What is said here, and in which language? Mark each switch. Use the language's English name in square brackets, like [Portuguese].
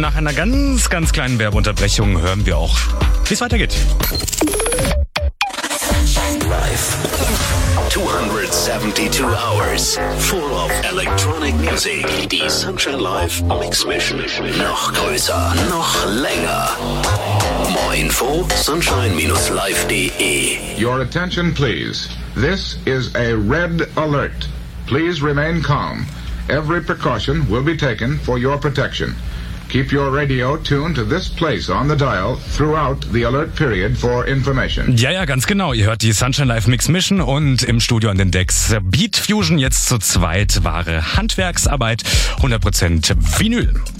[German] Nach einer ganz, ganz kleinen Werbeunterbrechung hören wir auch, wie es weitergeht. Sunshine Live. [English] 272 Hours full of electronic music. [German] Die Sunshine Live Mix Mission. Noch größer, noch länger. [English] More info, sunshine-live.de. Your attention, please. This is a red alert. Please remain calm. Every precaution will be taken for your protection. Keep your radio tuned to this place on the dial throughout the alert period for information. [German] Ja, ja, ganz genau. Ihr hört die Sunshine Live Mix Mission und im Studio an den Decks Beat Fusion. Jetzt zu zweit wahre Handwerksarbeit, 100% Vinyl.